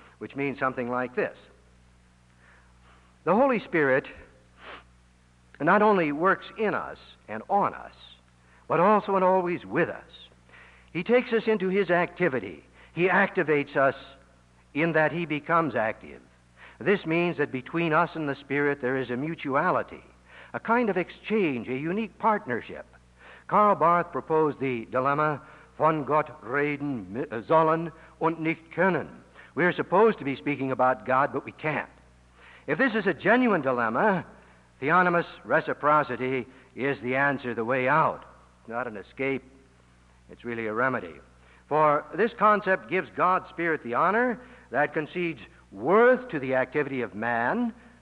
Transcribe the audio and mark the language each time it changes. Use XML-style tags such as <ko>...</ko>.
<en>Which means something like this. The Holy Spirit not only works in us and on us, but also and always with us. He takes us into his activity. He activates us in that he becomes active. This means that between us and the Spirit there is a mutuality, a kind of exchange, a unique partnership. Karl Barth proposed the dilemma,</en> <de>von Gott reden sollen und nicht können.</de> <en>We are supposed to be speaking about God, but we can't. If this is a genuine dilemma, theonomous reciprocity is the answer, the way out. Not an escape, it's really a remedy. For this concept gives God's Spirit the honor that concedes worth to the activity of man.</en>